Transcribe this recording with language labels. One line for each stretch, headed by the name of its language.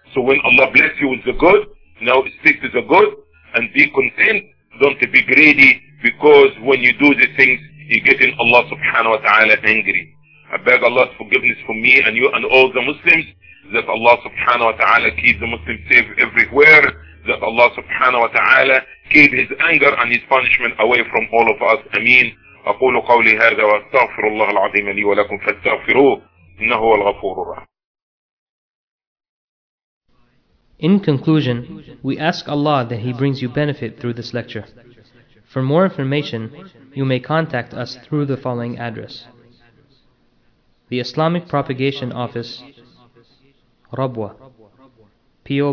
English: So when Allah bless you with the good, now stick to the good, and be content, don't be greedy, because when you do the things, you're getting Allah subhanahu wa ta'ala angry. I beg Allah's forgiveness for me and you and all the Muslims, that Allah subhanahu wa ta'ala keep the Muslims safe everywhere, that Allah subhanahu wa ta'ala keep his anger and his punishment away from all of us. Ameen.
Arabic: أقول قولي هذا وأستغفر الله العظيم لي ولكم فاستغفروه إنه هو الغفور الرحيم.
English: In conclusion, we ask Allah that He brings you benefit through this lecture. For more information, you may contact us through the following address. The Islamic Propagation Office, Rabwa, P.O.